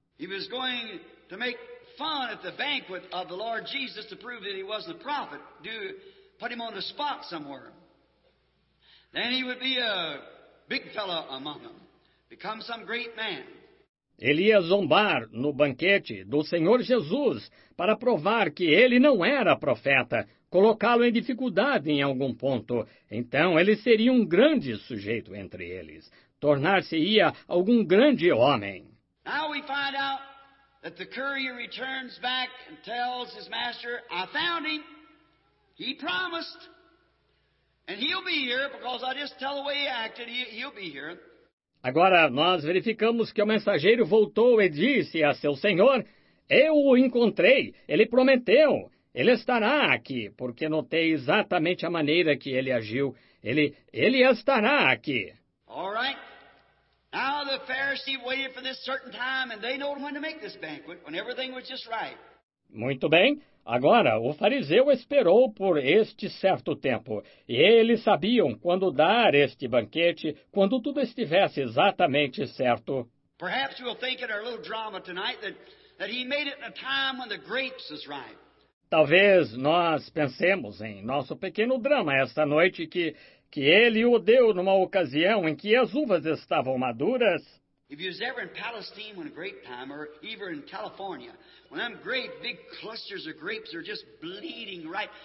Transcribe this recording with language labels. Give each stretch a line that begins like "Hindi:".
English: He was going to make fun at the banquet of the Lord Jesus to prove that he wasn't a prophet. Do put him on the spot somewhere. Then he would be a big fellow among them. Become some great man.
Portuguese: Ele ia zombar no banquete do Senhor Jesus para provar que ele não era profeta, colocá-lo em dificuldade em algum ponto. Então ele seria um grande sujeito entre eles, tornar-se-ia algum grande homem.
English: Now we find out that the courier returns back and tells his master, I found him. He promised. And he'll be here because I just tell the way he acted, he'll be here.
Portuguese: Agora, nós verificamos que o mensageiro voltou e disse a seu senhor, eu o encontrei, ele prometeu, ele estará aqui, porque notei exatamente a maneira que ele agiu, ele estará aqui.
English: All right. Now the Pharisee waited for this certain time, and they know when to make this banquet, when everything was just right.
Portuguese: Muito bem. Agora, o fariseu esperou por este certo tempo, e eles sabiam quando dar este banquete, quando tudo estivesse exatamente certo.
English: Perhaps we'll think in our little drama tonight that he made it in a time when the grapes is ripe.
Portuguese: Talvez nós pensemos em nosso pequeno drama esta noite que ele o deu numa ocasião em que as uvas estavam maduras.
English: If you was ever in Palestine when a grape time, or even in California, when them great big clusters of grapes are just bleeding, right?